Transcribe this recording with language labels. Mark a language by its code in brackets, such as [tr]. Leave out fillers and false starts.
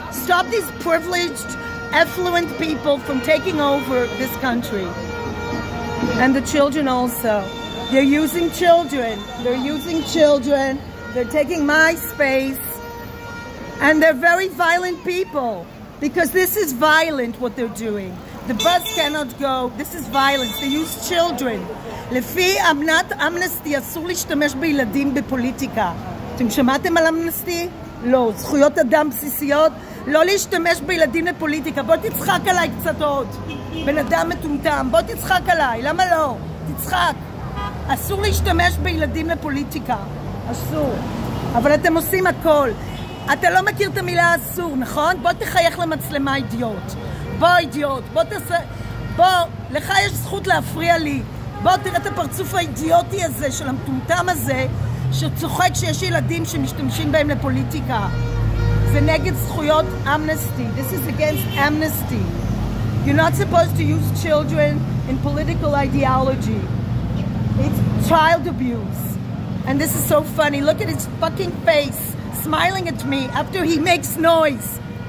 [en] Stop these privileged, affluent people from taking over this country. And the children also. They're using children. They're using children. They're taking my space. And they're very violent people. Because this is violent what they're doing. The bus cannot go. This is violence. They use children. [he] לפי אמנת אמנסטי, אסור להשתמש בילדים בפוליטיקה. אתם שמעתם על אמנסטי? לא, זכויות אדם בסיסיות, לא להשתמש בילדים לפוליטיקה. בוא תצחק עליי קצת עוד, בן אדם מטומטם, בוא תצחק עליי, למה לא? תצחק. אסור להשתמש בילדים לפוליטיקה, אסור. אבל אתם עושים הכל. אתה לא מכיר את המילה אסור, נכון? בוא תחייך למצלמה, אידיוט. בוא, אידיוט, בוא תעשה... בוא, לך יש זכות להפריע לי. בוא, תראה את הפרצוף האידיוטי הזה, של המטומטם הזה, שצוחק שיש ילדים שמשתמשים בהם לפוליטיקה. זה נגד זכויות אמנסטי. [en] This is against amnesty. You're not supposed to use children in political ideology. It's child abuse. And this is so funny. Look at his fucking face, smiling at me after he makes noise.